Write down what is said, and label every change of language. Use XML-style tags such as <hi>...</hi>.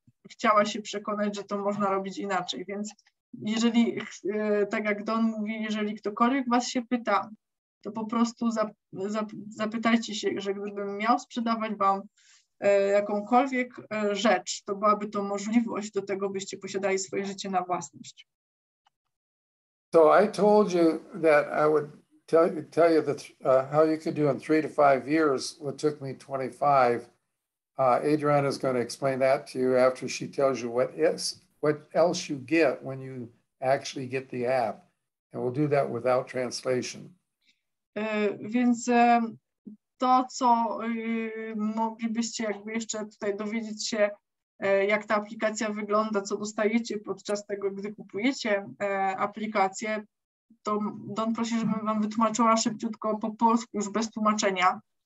<pl>chciała się przekonać, że to można robić inaczej, więc jeżeli, tak jak Don mówi, jeżeli ktokolwiek was się pyta, to po prostu zapytajcie się, że gdybym miał sprzedawać wam jakąkolwiek rzecz, to byłaby to możliwość do tego, byście posiadali swoje życie na własność.</pl> <en>So I told you that I would tell you that how you could do in 3 to 5 years what took me 25. Adriana is going to explain that to you after she tells you what else you get when you actually get the app. And we'll do that without translation.</en> <pl>Więc to, co moglibyście jakby jeszcze tutaj dowiedzieć się, jak ta aplikacja wygląda, co dostajecie podczas tego, gdy kupujecie aplikację, to Don prosi, żebym wam wytłumaczyła szybciutko po polsku, już bez tłumaczenia.</pl>